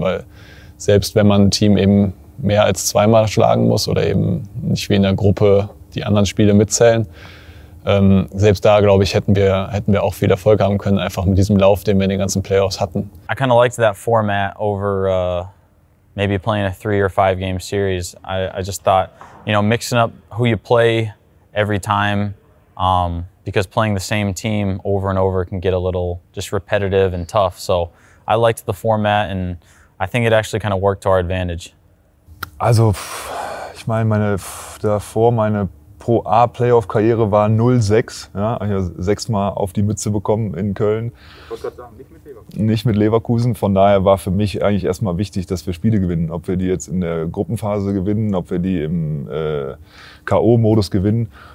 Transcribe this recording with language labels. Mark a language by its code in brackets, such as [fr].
[de] Weil selbst wenn man ein Team eben mehr als zweimal schlagen muss oder eben nicht wie in der Gruppe die anderen Spiele mitzählen, selbst da, glaube ich, hätten wir auch viel Erfolg haben können, einfach mit diesem Lauf, den wir in den ganzen Playoffs hatten. [en] I kind of liked that format over maybe playing a 3 or 5 game series. I just thought, you know, mixing up who you play every time, because playing the same team over and over can get a little just repetitive and tough. So I liked the format and I think it actually kind of worked to our advantage. [de] Also, ich meine, meine Pro-A-Playoff-Karriere war 0-6. Ja, ich habe 6-mal auf die Mütze bekommen in Köln. Ich wollte gerade sagen, nicht mit Leverkusen. Von daher war für mich eigentlich erstmal wichtig, dass wir Spiele gewinnen. Ob wir die jetzt in der Gruppenphase gewinnen, ob wir die im K.O.-Modus gewinnen.